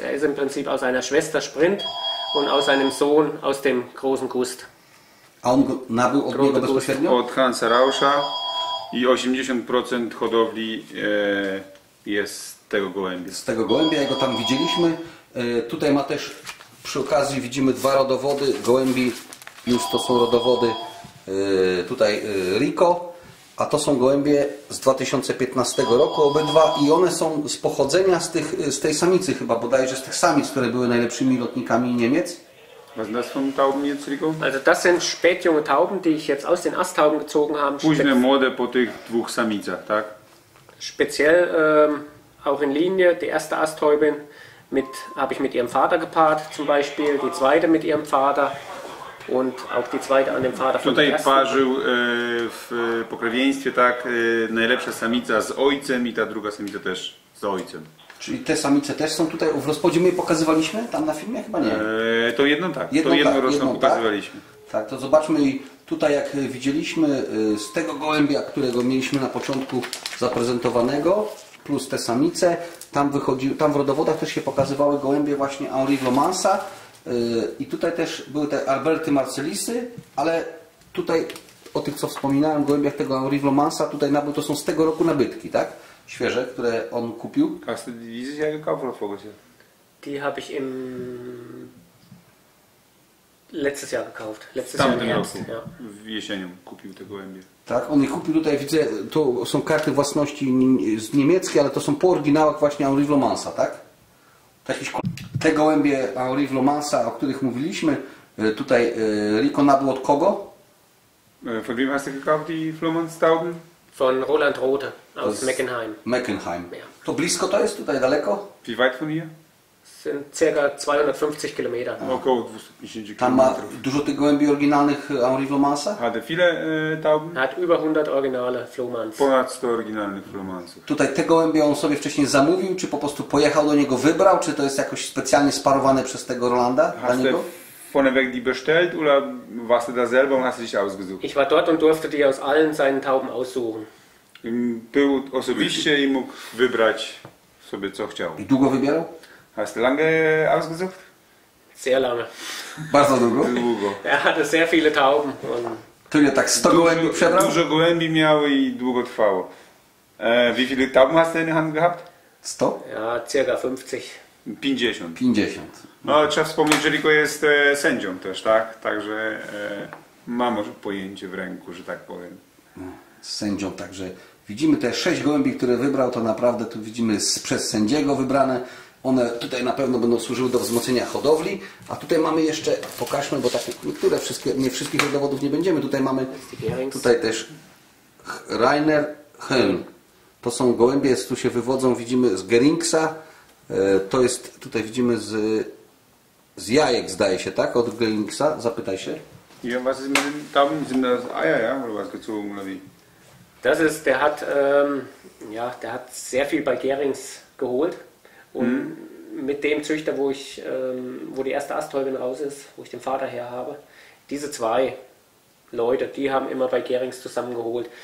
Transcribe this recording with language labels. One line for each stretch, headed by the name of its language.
German: Er ist im Prinzip aus einer Schwester Sprint und aus einem Sohn aus dem großen Gust.
Polish: A on nabył od niego bezpośrednio? Od Hansa Rauscha i 80% hodowli jest z tego gołębia. Z tego gołębia, jak go tam widzieliśmy. Tutaj ma też, przy okazji widzimy dwa rodowody gołębi. Już to są rodowody tutaj Rico. A to są gołębie z 2015 roku obydwa i one są z pochodzenia z tej samicy chyba, bodajże z tych samic, które były najlepszymi lotnikami Niemiec.
German: Was sind das für Tauben jetzt, Rico? Also das sind spätjunge Tauben, die ich jetzt aus den Asttauben gezogen habe.
Polish: Późne młode po tych dwóch samicach, tak?
German: Speziell auch in Linie, die erste Asttäubin habe ich mit ihrem Vater gepaart zum Beispiel, die zweite mit ihrem Vater. Und auch die zweite an dem Vater von
Polish: tutaj parzył w pokrewieństwie, tak, najlepsza samica z ojcem i ta druga samica też z ojcem. Czyli te samice też są tutaj, w rozpodzie my je pokazywaliśmy tam na filmie? Chyba nie. To jedną tak, jedną, to jedną tak, roczną jedną, pokazywaliśmy. Tak, to zobaczmy i tutaj jak widzieliśmy z tego gołębia, którego mieliśmy na początku zaprezentowanego, plus te samice, tam wychodziły, tam w rodowodach też się pokazywały gołębie właśnie Henri Vomansa. I tutaj też były te Alberty Marcellisy, ale tutaj o tych, co wspominałem, gołębiach tego Henri Vomansa, tutaj to są z tego roku nabytki, tak? Świeże, które on kupił.
German: Hast du dieses Jahr gekauft oder vorletztes Jahr? Die habe ich im letztes Jahr gekauft. Letztes Jahr im Herbst.
Polish: W jesienią kupił te gołębie. Tak, on je kupił tutaj, widzę, to są karty własności z niemieckiej, ale to są po oryginałach właśnie Henri Vomansa, tak? Te gołębie Henri Vomansa, o których mówiliśmy, tutaj Rico nabył od kogo?
German: Von wem hast du gekauft die Vomansstauben? Von Roland Rothe aus Meckenheim. Meckenheim.
Polish: To blisko to jest tutaj, daleko?
German: Wie weit von hier? Sind circa 250 km.
Polish: Około 250 km. Tam ma dużo tych gołębi oryginalnych Henri Vomansa?
German: Hatte viele Tauben? Hat über 100 originale Vomans.
Polish: Ponad 100 oryginalnych Vomansów. Tutaj te gołębie on sobie wcześniej zamówił, czy po prostu pojechał do niego, wybrał, czy to jest jakoś specjalnie sparowane przez tego Rolanda dla niego?
German: Vorneweg die bestellt oder warst du da selber und hast dich ausgesucht? Ich war dort und durfte die aus allen seinen Tauben aussuchen.
Polish: Był osobiście i mógł wybrać sobie co chciał. I długo wybierał?
German: Hast du lange ausgesucht? Sehr lange.
Polish: Bardzo długo? Długo.
German: Er hatte sehr viele Tauben.
Polish: Tyle, tak 100 gołębi przebrał? Dużo gołębi miał i długo trwało.
German: Wie viele Tauben hast du in der Hand gehabt? 100? Ja, circa 50. 50. 50.
Polish: No, trzeba wspomnieć, że Rico jest sędzią też, tak? Także ma może pojęcie w ręku, że tak powiem. Sędzią, także widzimy te 6 gołębi, które wybrał, to naprawdę tu widzimy przez sędziego wybrane. One tutaj na pewno będą służyły do wzmocnienia hodowli. A tutaj mamy jeszcze, pokażmy, bo tak niektóre, wszystkie, nie wszystkich dowodów nie będziemy. Tutaj mamy tutaj też Rainer Höhn. To są gołębie, tu się wywodzą, widzimy z Geringsa. To jest, tutaj widzimy z jajek, zdaje się, tak? Od Geringsa, zapytaj się.
German: Ja, was ist mit dem Tauben, sind das Eier, ja? Oder was gezogen, oder wie? Das ist, der hat, ja, der hat sehr viel bei Gerings geholt. Und mit dem Züchter, wo ich, wo die erste Astäubin raus ist, wo ich den Vater her habe, diese zwei Leute, die haben immer bei Gerings zusammen geholt.